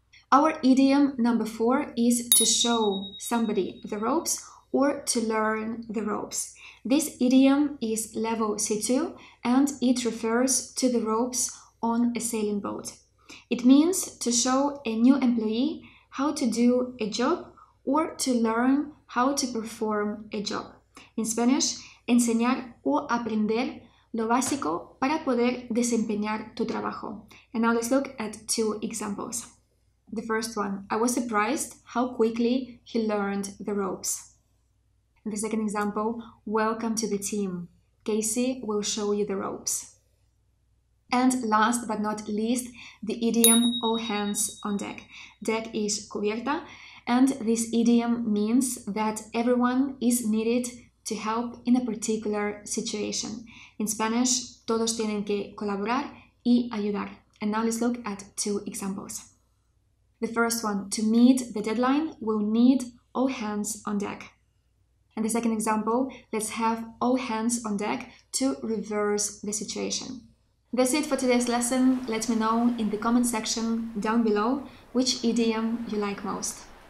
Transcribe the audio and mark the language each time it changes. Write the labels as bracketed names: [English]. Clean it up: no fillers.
[English] Our idiom number 4 is to show somebody the ropes or to learn the ropes. This idiom is level C2 and it refers to the ropes on a sailing boat. It means to show a new employee how to do a job or to learn how to perform a job. In Spanish, [Spanish] enseñar o aprender lo básico para poder desempeñar tu trabajo. [English] And now let's look at 2 examples. The first one, I was surprised how quickly he learned the ropes. The second example, welcome to the team. Casey will show you the ropes. And last but not least, the idiom all hands on deck. Deck is cubierta, and this idiom means that everyone is needed to help in a particular situation. In Spanish, [Spanish] todos tienen que colaborar y ayudar. [English] And now let's look at 2 examples. The first one, to meet the deadline, will need all hands on deck. And the second example, let's have all hands on deck to reverse the situation. That's it for today's lesson. Let me know in the comment section down below which idiom you like most.